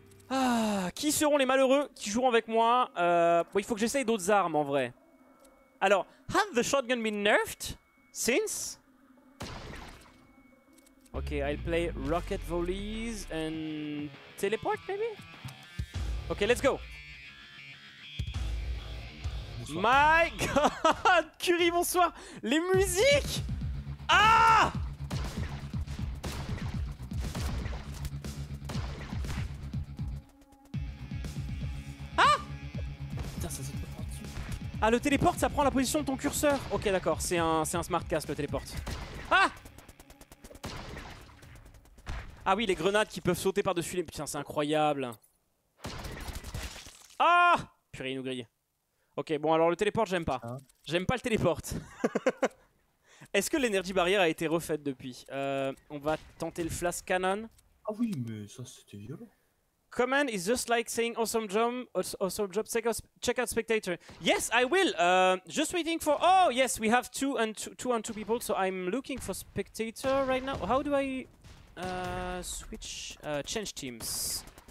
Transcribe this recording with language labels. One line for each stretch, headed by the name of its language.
French: Ah, qui seront les malheureux qui joueront avec moi? Bon, il faut que j'essaye d'autres armes en vrai. Alors,
English: have the shotgun been nerfed since? Ok, I'll play rocket volleys and teleport maybe? Ok, let's go!
French: Bonsoir.
English: My god!
French: Curie, bonsoir! Les musiques! Ah! Ah, le téléport, ça prend la position de ton curseur. Ok, d'accord, c'est un smart cast, le téléport. Ah! Ah oui, les grenades qui peuvent sauter par-dessus les... Putain, c'est incroyable. Ah! Purée, il nous grille. Ok, bon, alors le téléport, j'aime pas. J'aime pas le téléport. Est-ce que l'énergie barrière a été refaite depuis? On va tenter le flash cannon. Ah oui, mais ça, c'était violent.
English: Command is just like saying awesome job, check out spectator. Yes, I will. Just waiting for... Oh, yes, we have two and two people, so I'm looking for spectator right now. How do I switch... change teams.